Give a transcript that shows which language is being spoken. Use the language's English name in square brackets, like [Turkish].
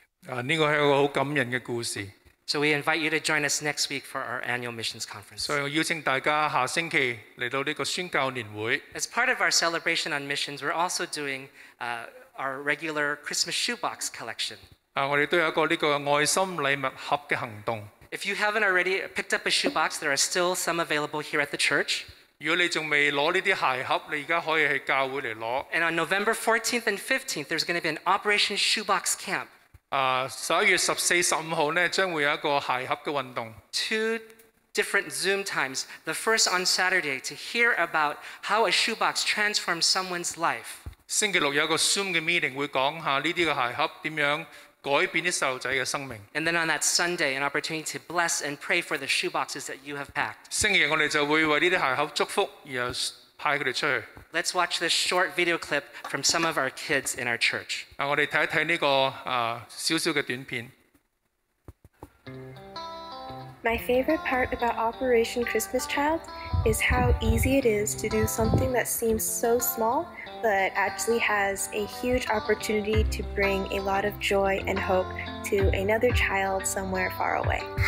[Chinese] 这个是一个很感人的故事。 [English] So we invite you to join us next week for our annual missions conference. [Chinese] 所以邀请大家下星期来到这个宣教年会。 [English] As part of our celebration on missions, we're also doing our regular Christmas shoebox collection. [Chinese] 我们都有一个这个爱心礼物盒的行动。 [English] If you haven't already picked up a shoebox, there are still some available here at the church. [Chinese] 如果你还没拿这些鞋盒,你现在可以去教会来拿。 [English] And on November 14th and 15th, there's going to be an Operation Shoebox Camp. [Chinese] 11月14、15号呢, 将会有一个鞋盒的运动。 [English] Two different Zoom times. The first on Saturday to hear about how a shoebox transforms someone's life. [Chinese] 星期六有一个Zoom的meeting, 会讲一下这些鞋盒怎样改变小孩的生命。 [English] And then on that Sunday, an opportunity to bless and pray for the shoeboxes that you have packed. [Chinese] 星期日我们就会为这些鞋盒祝福,然后派他们出去。 [English] Let's watch this short video clip from some of our kids in our church. [Chinese] 我们看一看这个小小的短片。 [English] My favorite part about Operation Christmas Child is how easy it is to do something that seems so small, but actually has a huge opportunity to bring a lot of joy and hope to another child somewhere far away.